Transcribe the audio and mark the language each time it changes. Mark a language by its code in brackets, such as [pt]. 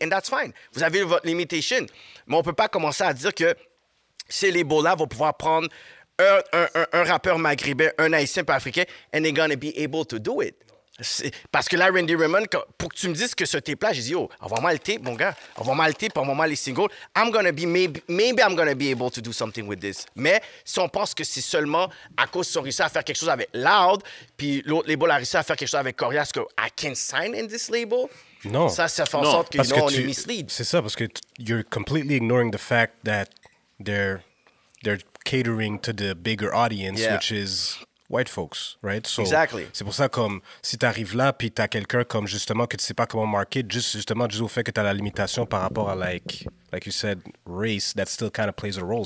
[en] And that's fine. [fr] Vous avez votre limitation. Mais on ne peut pas commencer à dire que ces labels-là vont pouvoir prendre un rappeur maghrébin, un haïtien, un africain, [en] and they're gonna be able to do it. [fr] C'est... Parce que là, Randy Raymond, pour que tu me dises que ce tape-là, j'ai dit, oh, envoie-moi le tape, mon gars. Envoie-moi le tape, envoie-moi les singles. [en] I'm gonna be, maybe I'm gonna be able to do something with this. [fr] Mais si on pense que c'est seulement à cause qu'ils ont réussi à faire quelque chose avec Loud, puis l'autre label a réussi à faire quelque chose avec Corias, que [en] I can't sign in this label, [fr] non. Ça fait en sorte que, non, on est mislead. C'est ça, parce que [en] you're completely ignoring the fact that they're catering to the bigger audience, which is white folks, right? So exactly. [fr] C'est pour ça, comme, si t'arrives là, puis t'as quelqu'un comme, justement, que tu sais pas comment market, juste au fait que t'as la limitation par rapport à, [en] like you said, race, that still kind of plays a role.